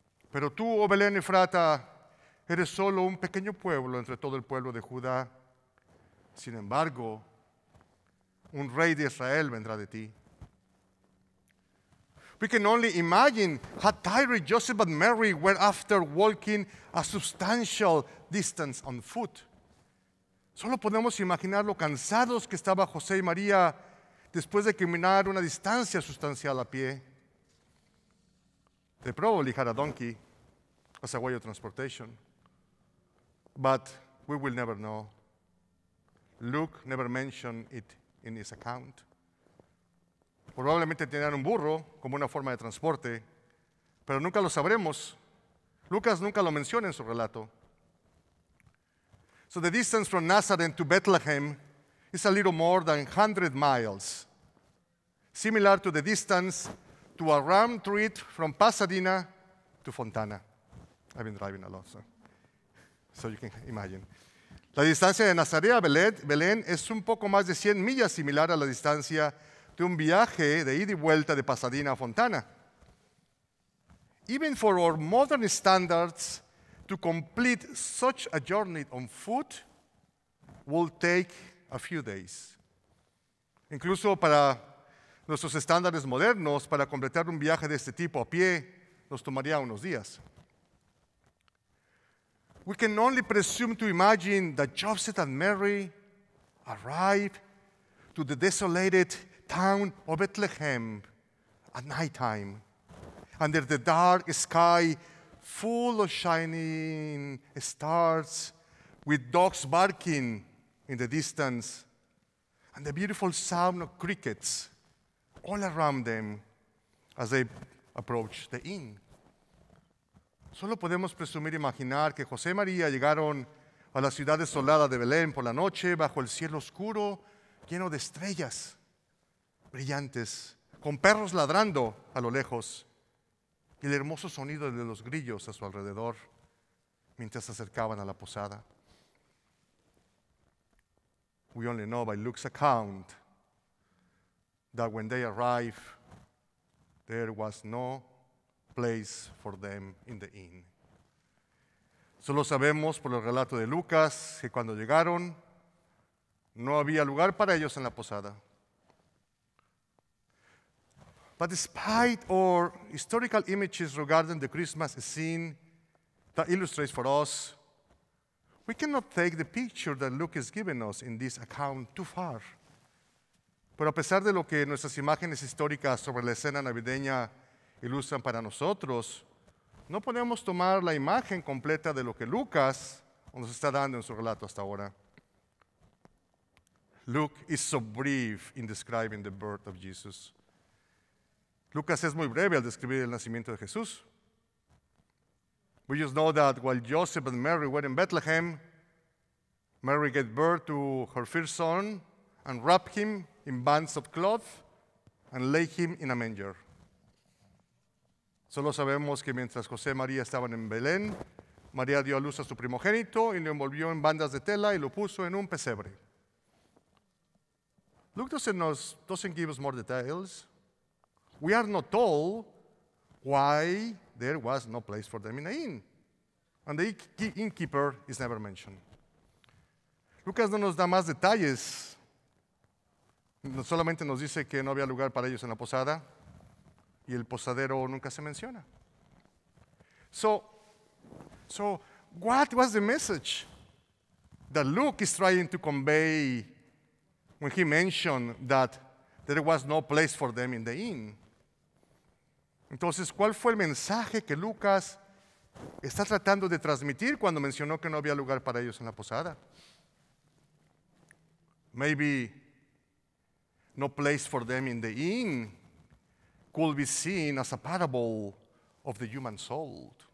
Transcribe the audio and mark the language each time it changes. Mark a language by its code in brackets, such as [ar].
[es] Pero tú, oh Belén Efrata, eres solo un pequeño pueblo entre todo el pueblo de Judá. Sin embargo, un rey de Israel vendrá de ti. [en] We can only imagine how tired Joseph and Mary were after walking a substantial distance on foot. [es] Solo podemos imaginar lo cansados que estaba José y María después de caminar una distancia sustancial a pie. [en] They probably had a donkey as a way of transportation. But we will never know. Luke never mentioned it in his account. [es] Probablemente tenían un burro como una forma de transporte, pero nunca lo sabremos. Lucas nunca lo menciona en su relato. [en] So the distance from Nazareth to Bethlehem is a little more than 100 miles, similar to the distance to a round trip from Pasadena to Fontana. I've been driving a lot, so you can imagine. [es] La distancia de Nazaret a Belén es un poco más de 100 millas, similar a la distancia de un viaje de ida y vuelta de Pasadena a Fontana. [en] Even for our modern standards, to complete such a journey on foot will take a few days. [es] Incluso para nuestros estándares modernos, para completar un viaje de este tipo a pie, nos tomaría unos días. [en] We can only presume to imagine that Joseph and Mary arrived to the desolated town of Bethlehem at nighttime, under the dark sky full of shining stars, with dogs barking in the distance, and the beautiful sound of crickets all around them as they approach the inn. [es] Solo podemos presumir imaginar que José y María llegaron a la ciudad desolada de Belén por la noche bajo el cielo oscuro lleno de estrellas brillantes, con perros ladrando a lo lejos y el hermoso sonido de los grillos a su alrededor mientras se acercaban a la posada. [en] We only know by Luke's account that when they arrived, there was no place for them in the inn. [es] Solo sabemos por el relato de Lucas que cuando llegaron, no había lugar para ellos en la posada. [en] But despite our historical images regarding the Christmas scene that illustrates for us, we cannot take the picture that Luke has given us in this account too far. [es] Pero a pesar de lo que nuestras imágenes históricas sobre la escena navideña ilustran para nosotros, no podemos tomar la imagen completa de lo que Lucas nos está dando en su relato hasta ahora. [en] Luke is so brief in describing the birth of Jesus. [es] Lucas es muy breve al describir el nacimiento de Jesús. [en] We just know that while Joseph and Mary were in Bethlehem, Mary gave birth to her first son and wrapped him in bands of cloth and laid him in a manger. [es] Solo sabemos que mientras José y María estaban en Belén, María dio a luz a su primogénito y lo envolvió en bandas de tela y lo puso en un pesebre. [en] Luke doesn't give us more details. We are not told why there was no place for them in the inn, and the innkeeper is never mentioned. [es] Lucas no nos da más detalles. No solamente nos dice que no había lugar para ellos en la posada, y el posadero nunca se menciona. [en] So what was the message that Luke is trying to convey when he mentioned that there was no place for them in the inn? [es] Entonces, ¿cuál fue el mensaje que Lucas está tratando de transmitir cuando mencionó que no había lugar para ellos en la posada? [en] Maybe no place for them in the inn could be seen as a parable of the human soul.